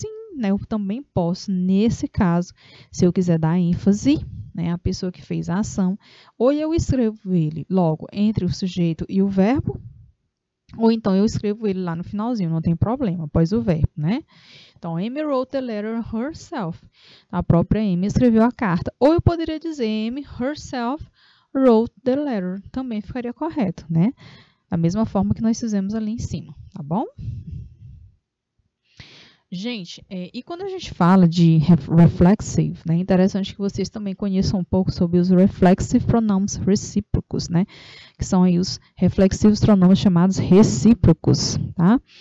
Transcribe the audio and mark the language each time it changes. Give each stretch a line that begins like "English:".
Portuguese: Sim, né, eu também posso, nesse caso, se eu quiser dar ênfase, né, à pessoa que fez a ação, ou eu escrevo ele logo entre o sujeito e o verbo, ou então eu escrevo ele lá no finalzinho, não tem problema, após o verbo, né? Então,
English: Amy wrote the letter herself.
Portuguese: A própria Amy escreveu a carta. Ou eu poderia dizer,
English: Amy herself wrote the letter.
Portuguese: Também ficaria correto, né? Da mesma forma que nós fizemos ali em cima, tá bom? Gente, e quando a gente fala de reflexive, né? Interessante que vocês também conheçam um pouco sobre os reflexive pronomes recíprocos, né? Que são aí os reflexivos pronomes chamados recíprocos, tá?